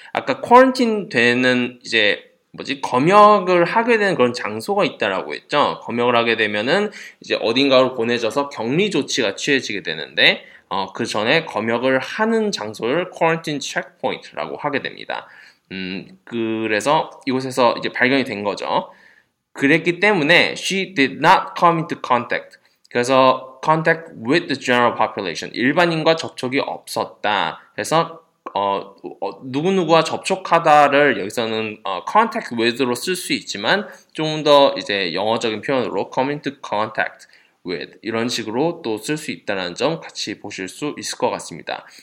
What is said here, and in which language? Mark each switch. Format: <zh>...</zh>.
<ko>아까 quarantine 되는 이제 뭐지 검역을 하게 되는 그런 장소가 있다라고 했죠. 검역을 하게 되면은 이제 어딘가로 보내져서 격리 조치가 취해지게 되는데. 그 전에 검역을 하는 장소를 quarantine checkpoint라고 하게 됩니다. 그래서 이곳에서 이제 발견이 된 거죠. 그랬기 때문에</ko> <en>she did not come into contact.</en> <ko>그래서</ko> <en>contact with the general population.</en> <ko>일반인과 접촉이 없었다. 그래서 누구누구와 접촉하다를 여기서는</ko> <en>contact with</en> <ko>로 쓸 수 있지만 좀 더 이제 영어적인 표현으로</ko> <en>come into contact.</en> <ko>with 이런 식으로 또 쓸 수 있다는 점 같이 보실 수 있을 것 같습니다.</ko>